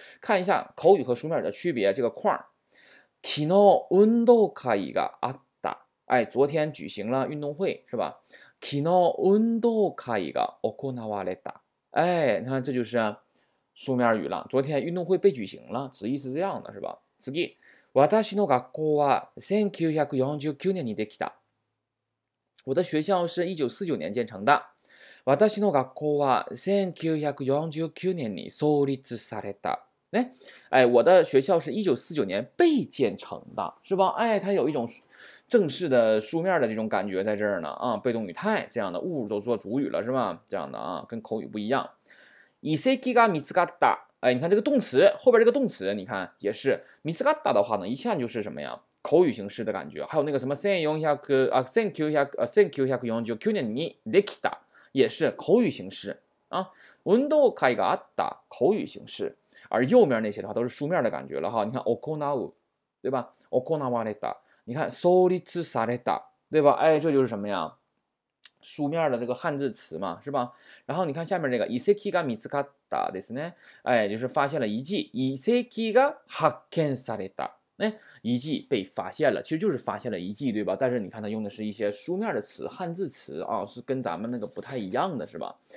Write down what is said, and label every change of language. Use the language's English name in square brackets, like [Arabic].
[Chinese] 看一下口语和书面的区别，这个框。 [Japanese] 昨日運動会があった， [Chinese] 哎，昨天举行了运动会是吧？ [Japanese] 昨日運動会が行われた， [Chinese] 哎，你看这就是书面语了，昨天运动会被举行了，词义是这样的，是吧？ [Japanese] 次，私の学校は1949年にできた。 [Chinese] 我的学校是1949年建成的。 [Japanese] 私の学校は1949年に創立された。 [Chinese] ね、哎，我的学校是1949年被建成的，是吧？哎，它有一种正式的书面的这种感觉在这儿呢，啊，被动语态这样的，物都做主语了，是吧？这样的啊，跟口语不一样。 [Japanese] 遺跡が見つかった， [Chinese] 哎，你看这个动词后边这个动词，你看也是見つかった的话呢，一下就是什么呀？口语形式的感觉。还有那个什么1949年にできた，也是口语形式啊。 [Japanese] 運動会があった，口语形式。 [Chinese] 而右面那些的话都是书面的感觉了哈。你看行う，对吧？ [Japanese] 行われた，你看創立された，对吧？ [Chinese] 哎，这就是什么呀？书面的这个汉字词嘛，是吧？然后你看下面这个 [Japanese] 遺跡が見つかったですね， [Chinese] 哎，就是发现了遗迹。 [Japanese] 遺跡が発見された， [Chinese] 哎，遗迹被发现了，其实就是发现了遗迹，对吧？但是你看它用的是一些书面的词，汉字词啊，是跟咱们那个不太一样的，是吧？